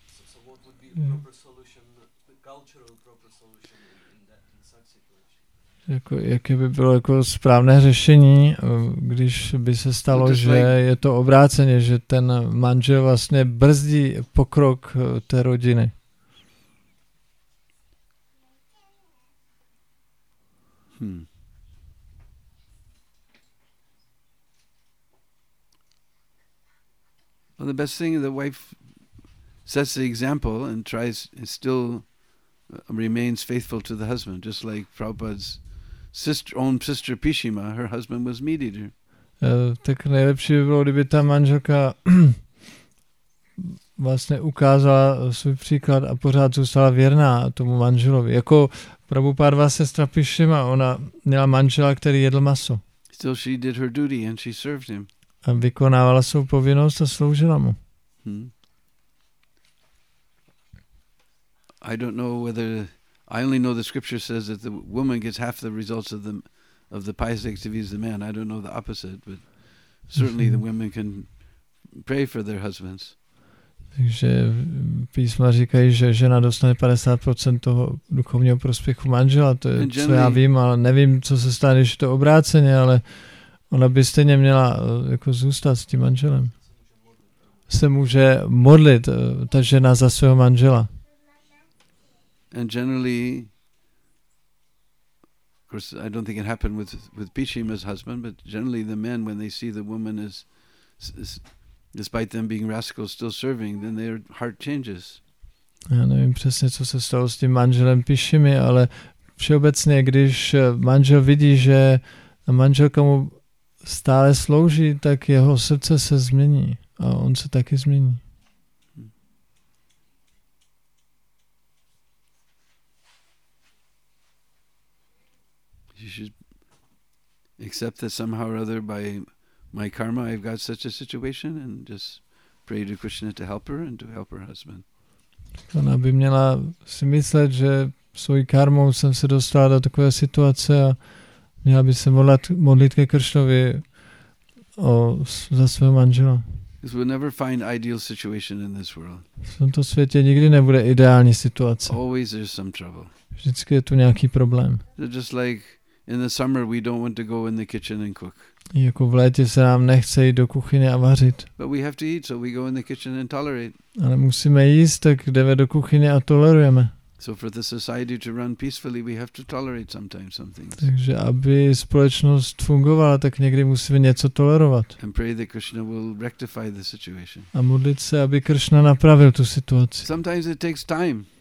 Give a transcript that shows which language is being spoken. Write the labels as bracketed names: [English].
[English] So what would be a proper solution, the cultural proper solution in such situation? [Czech] Jako, jaké by bylo jako správné řešení, když by se stalo, že je to obráceně, že ten manžel vlastně brzdí pokrok té rodiny. Hmm. [English] Well, the best thing is the wife sets the example and tries and still remains faithful to the husband, just like Prabhupada's own sister Pishima, her husband was meat eater. [Czech] Tak nejlepší by bylo, kdyby ta manželka vlastně ukázala svůj příklad a pořád zůstala věrná tomu manželovi. Jako Prabhupádová sestra Pishima, ona měla manžela, který jedl maso. [English] Still she did her duty and she served him. [Czech] A vykonávala svou povinnost a sloužila mu. [English] Hmm. I don't know whether... I only know the scripture says that the woman gets half the results of the pious activities of the man. I don't know the opposite, but certainly the women can pray for their husbands. [Czech] Takže písma říkají, že žena dostane 50% toho duchovního prospěchu manžela. To je, co já vím, ale nevím, co se stane, že to obráceně, ale ona by stejně měla jako zůstat s tím manželem. Se může modlit ta žena za svého manžela. [English] And generally, of course, I don't think it happened with Pishima's husband, but generally the men, when they see the woman is despite them being rascals, still serving, then their heart changes. [Czech] Já nevím přesně, co se stalo s tím manželem Pishimi, ale všeobecně, když manžel vidí, že manželka mu stále slouží, tak jeho srdce se změní a on se taky změní. [English] You should accept that somehow or other by my karma I've got such a situation and just pray to Krishna to help her and to help her husband. [Czech] Ona by měla si myslet, že svojí karmou jsem se dostal do takové situace a měl by se modlit ke Kršnovi za svého manžela. [English] Because we'll never find ideal situation in this world. [Czech] V tomto světě nikdy nebude ideální situace. [English] Always there's some trouble. [Czech] Vždycky je tu nějaký problém. [English] Just like in the summer we don't want to go in the kitchen and cook. [Czech] Jako v létě se nám nechce jít do kuchyně a vařit. [English] But we have to eat, so we go in the kitchen and tolerate. [Czech] Ale musíme jíst, tak jdeme do kuchyně a tolerujeme. [English] So for the society to run peacefully, we have to tolerate sometimes some things. [Czech] Takže aby společnost fungovala, tak někdy musíme něco tolerovat. [English] And pray that Krishna will rectify the situation. [Czech] A modlit se, aby Krishna napravil tu situaci. [English] Sometimes it takes time.